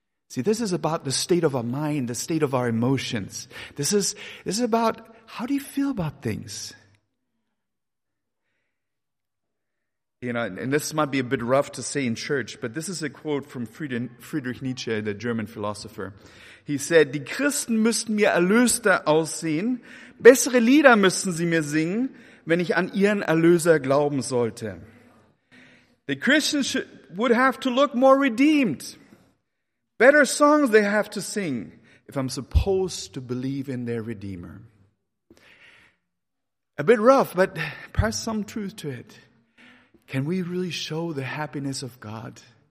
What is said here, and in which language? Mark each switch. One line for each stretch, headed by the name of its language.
English: See, this is about the state of our mind, the state of our emotions. This is about how do you feel about things? You know, and this might be a bit rough to say in church, but this is a quote from Friedrich Nietzsche, the German philosopher.
German: He said, "Die Christen müssten mir erlöster aussehen, bessere Lieder müssten sie mir singen, wenn ich an ihren Erlöser glauben sollte."
English: The Christians would have to look more redeemed. Better songs they have to sing if I'm supposed to believe in their Redeemer. A bit rough, but perhaps some truth to it. Can we really show the happiness of God?